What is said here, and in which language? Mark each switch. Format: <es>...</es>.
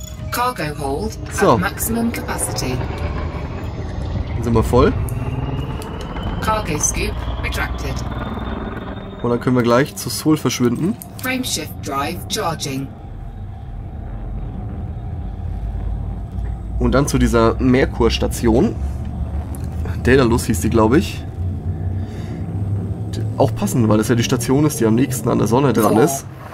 <en>Cargo hold so. At maximum capacity.</en> <de>Dann sind wir voll.</de> <en>Cargo scoop retracted.</en> <de>Und dann können wir gleich zu Sol verschwinden.</de> <en>Frameshift Drive charging.</en> <de>Und dann zu dieser Merkur-Station. Daedalus hieß die, glaube ich. Auch passend, weil das ja die Station ist, die am nächsten an der Sonne dran ist.</de>